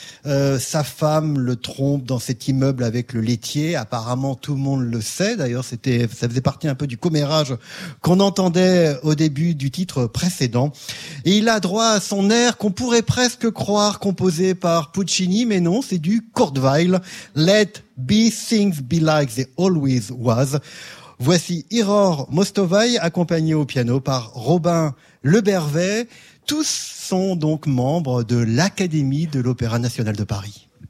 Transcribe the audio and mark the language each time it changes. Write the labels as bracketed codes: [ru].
[fr] Sa femme le trompe dans cet immeuble avec le laitier. Apparemment, tout le monde le sait. D'ailleurs, ça faisait partie un peu du commérage qu'on entendait au début du titre précédent. Et il a droit à son air qu'on pourrait presque croire composé par Puccini, mais non, c'est du Kurt Weill. [en] Let be things be like they always was. [fr] Voici Iror Mostovoy, accompagné au piano par Robin Le Bervet. Tous sont donc membres de l'Académie de l'Opéra National de Paris.